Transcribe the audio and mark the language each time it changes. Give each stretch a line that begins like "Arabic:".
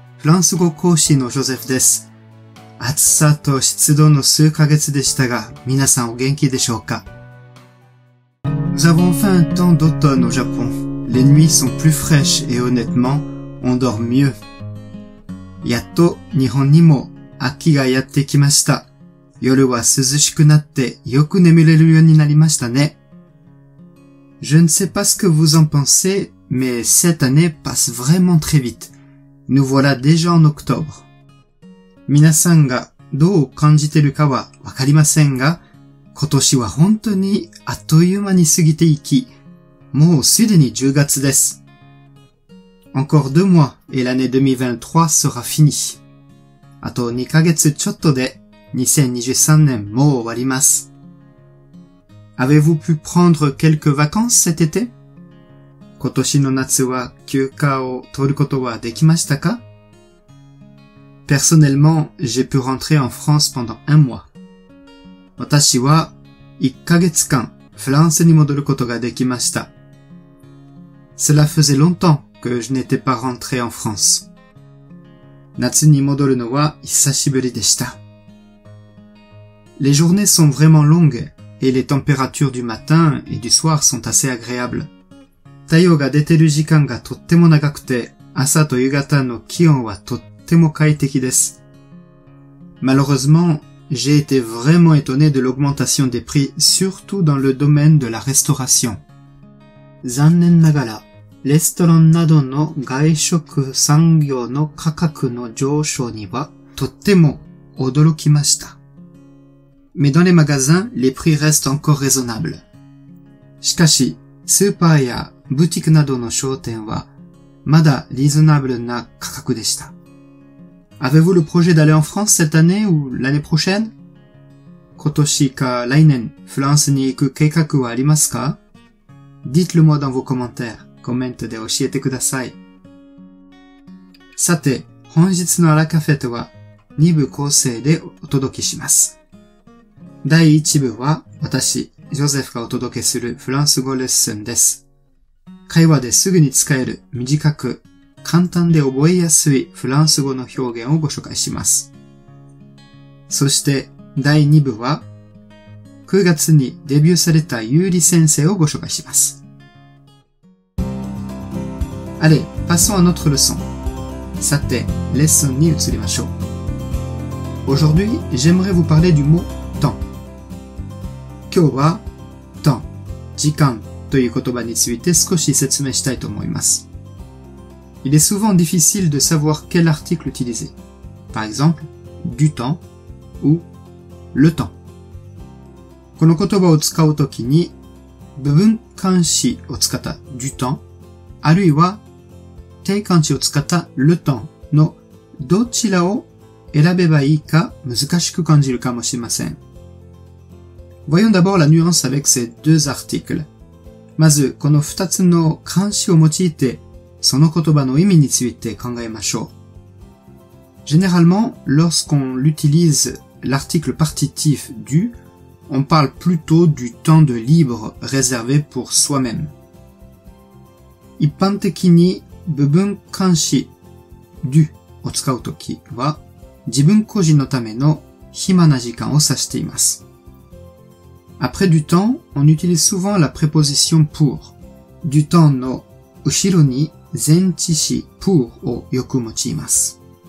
Japanese: フランス語講師のジョゼフです。暑さと湿度の数ヶ月でしたが、皆さんお元気でしょうか?
French: Nous avons enfin un temps d'automne au Japon. Les nuits sont plus fraîches et honnêtement, on dort mieux.
Japanese: やっと日本にも秋がやってきました。夜は涼しくなってよく眠れるようになりましたね。
French: Je ne sais pas ce que vous en pensez, mais cette année passe vraiment très vite. Nous voilà déjà en octobre.
Japanese: 皆さんがどう感じてるかはわかりませんが、今年は本当にあっという間に過ぎていき、もうすでに10月です。
French: Encore deux mois et l'année 2023 sera finie.
Japanese: あと2ヶ月ちょっとで2023年もう終わります。
French: Avez-vous pu prendre quelques vacances cet été?
Japanese: 今年の夏は休暇を取ることはできましたか?
French: Personnellement, j'ai pu rentrer en France pendant un mois.
Japanese: 私は1ヶ月間フランスに戻ることができました。
French: Cela faisait longtemps que je n'étais pas rentré en France.
Japanese: 夏に戻るのは久しぶりでした。
French: Les journées sont vraiment longues et les températures du matin et du soir sont assez agréables.
Japanese: 太陽が出てる時間がとっても長くて、朝と夕方の気温はとってても快適です。
French: Malheureusement, j'ai été vraiment étonné de l'augmentation des prix, surtout dans le domaine de la restauration.
Japanese: 残念ながら、レストランなどの外食産業の価格の上昇にはとっても驚きました。
French: Mais dans les magasins, les prix restent encore raisonnables.
Japanese: しかし、スーパーやブティックなどの商店はまだリーズナブルな価格でした。
French: Avez-vous le projet d'aller en France cette année ou l'année prochaine?
Japanese: 今年か来年、フランスに行く計画はありますか?
French: Dites-le moi dans vos commentaires.
Japanese: コメントで教えてください。さて、本日のアラカフェとは2部構成でお届けします。第1部は私、ジョゼフがお届けするフランス語レッスンです。会話ですぐに使える短く、簡単で覚えやすいフランス語の表現をご紹介します。そして第2部は9月にデビューされたユーリ先生をご紹介します。
French: Allez, passons à notre leçon.
Japanese: さて、レッスンに移りましょう。
French: Aujourd'hui, j'aimerais vous parler du mot temps.
Japanese: 今日は temps, 時間という言葉について少し説明したいと思います。
French: Il est souvent difficile de savoir quel article utiliser. Par exemple, du temps ou le temps.
Japanese: この言葉を使うときに、部分冠詞を使った
French: du temps、
Japanese: あるいは定冠詞を使った
French: le temps
Japanese: のどちらを選べばいいか難しく感じるかもしれません。
French: Voyons d'abord la nuance avec ces deux articles.
Japanese: まず、この二つの冠詞を用いて、その言葉の意味について考えましょう。
French: Généralement, lorsqu'on utilise l'article partitif du, on parle plutôt du temps de libre réservé pour soi-même.
Japanese: 一般的に部分冠詞 du を使うときは、自分個人のための暇な時間を指しています。
French: Après du temps, on utilise souvent la préposition pour. Du temps の後ろに前置詞 pour をよく用います。